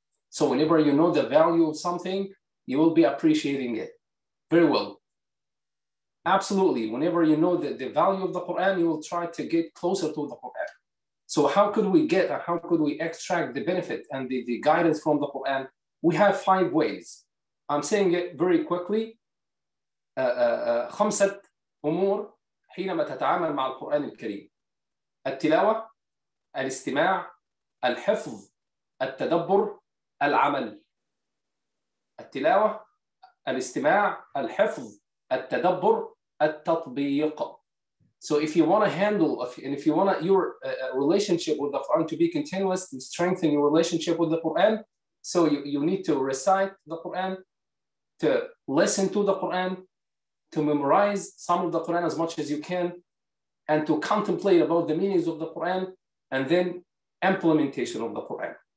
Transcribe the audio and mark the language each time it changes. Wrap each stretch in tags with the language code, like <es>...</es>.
<en>So whenever you know the value of something, you will be appreciating it very well. Absolutely. Whenever you know the value of the Quran, you will try to get closer to the Quran. So how could we get, or how could we extract the benefit and the guidance from the Quran? We have five ways. I'm saying it very quickly.</en> <ar>خمسة أمور حينما تتعامل مع القرآن الكريم. التلاوة، الاستماع، الحفظ، التدبر، العمل. التلاوة، الاستماع، الحفظ، التدبر، التطبيق.</ar> <en>So if you want to handle, if you want your relationship with the Quran to be continuous, to strengthen your relationship with the Quran, so you need to recite the Quran, to listen to the Quran, to memorize some of the Quran as much as you can, and to contemplate about the meanings of the Quran, and then implementation of the Quran.</en>